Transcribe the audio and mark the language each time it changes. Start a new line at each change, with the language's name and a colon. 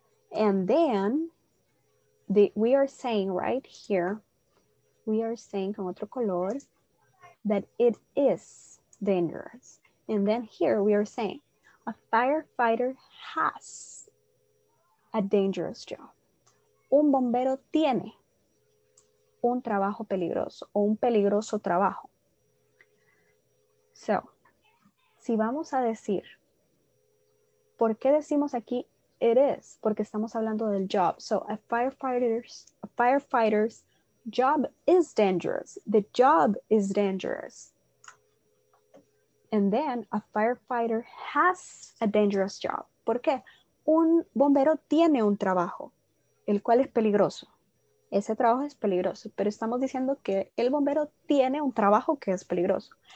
English: And then we are saying right here, we are saying
Spanish: con otro color
English: that it is dangerous. And then here we are saying a firefighter has a dangerous job.
Spanish: Un bombero tiene un trabajo peligroso o un peligroso trabajo. So, si vamos a decir, ¿por qué decimos aquí
English: it is?
Spanish: Porque estamos hablando del job.
English: So, a firefighter's job is dangerous. The job is dangerous. And then, a firefighter has a dangerous job.
Spanish: ¿Por qué? Un bombero tiene un trabajo, el cual es peligroso. Ese trabajo es peligroso, pero estamos diciendo que el bombero tiene un trabajo que es peligroso.